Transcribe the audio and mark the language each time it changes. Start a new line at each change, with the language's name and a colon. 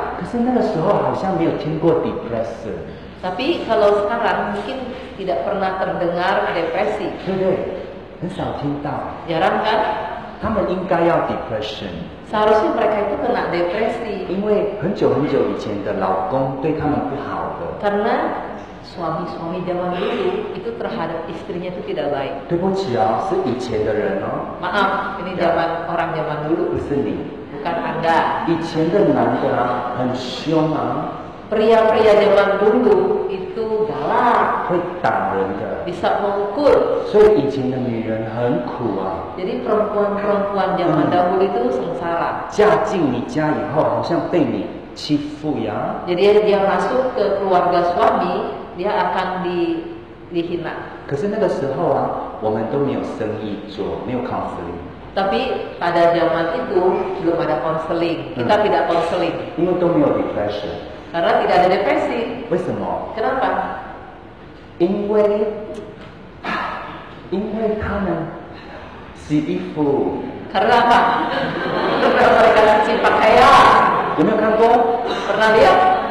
Chinese: 可是那个时候好像没有听过 depression。
Indonesian: Tapi kalau sekarang mungkin tidak pernah terdengar depresi。
Chinese: 对对，很少听到。
Indonesian: Jarang kan？
Chinese: 他们应该要 depression。
Indonesian: Seharusnya mereka itu kena depresi.
Chinese: 因为很久很久以前的老公对他们不好的。
Indonesian: Karena suami-suami zaman dulu itu terhadap istrinya itu tidak baik.
Chinese: 对不起啊，是以前的人哦。
Indonesian: Maaf, ini zaman orang zaman dulu.
Chinese: 不是你。
Indonesian: Bukan anda.
Chinese: 以前的男的啊，很凶啊。
Indonesian: Pria-pria zaman dulu itu galak.
Chinese: 会打人的。
Indonesian: Bisa mengukur.
Chinese: 所以以前的女人很苦啊。
Indonesian: Jadi perempuan-perempuan zaman dahulu itu sengsara.
Chinese: 嫁进你家以后，好像被你欺负呀。
Indonesian: Jadi dia masuk ke keluarga suami, dia akan dihina.
Chinese: 可是那个时候啊，我们都没有生意做，没有 counseling.
Indonesian: Tapi pada zaman itu belum ada counseling. Kita tidak counseling.
Chinese: 因为都没有 depression.
Indonesian: Karena tidak ada depresi.
Chinese: 为什么？
Indonesian: Kenapa?
Chinese: 因为他们。洗衣服。
Indonesian: Karena apa? Karena mereka cuci pakaian.
Chinese: 有没有看过？
Indonesian: Pernah lihat?